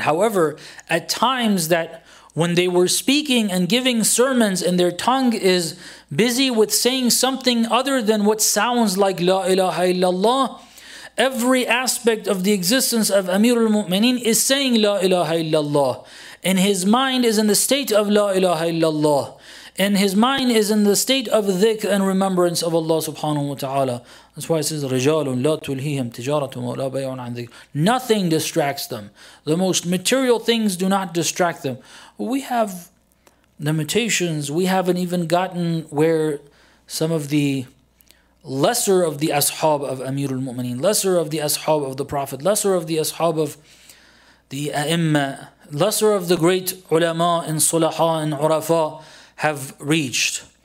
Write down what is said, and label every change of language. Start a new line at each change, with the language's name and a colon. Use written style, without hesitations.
English: However, at times that when they were speaking and giving sermons and their tongue is busy with saying something other than what sounds like La ilaha illallah, every aspect of the existence of Amir al-Mu'mineen is saying La ilaha illallah, and his mind is in the state of La ilaha illallah. And his mind is in the state of dhikr and remembrance of Allah subhanahu wa ta'ala. That's why it says,
Arabic: رِجَالٌ لَا تُلْهِيهِمْ تِجَارَةٌ وَلَا بَيْعٌ عَنْ ذِكْرٍ.
English: Nothing distracts them. The most material things do not distract them. We have limitations. We haven't even gotten where some of the lesser of the ashab of Amir al-Mu'mineen, lesser of the ashab of the Prophet, lesser of the ashab of the a'immah, lesser of the great ulama and sulaha and urafa have reached.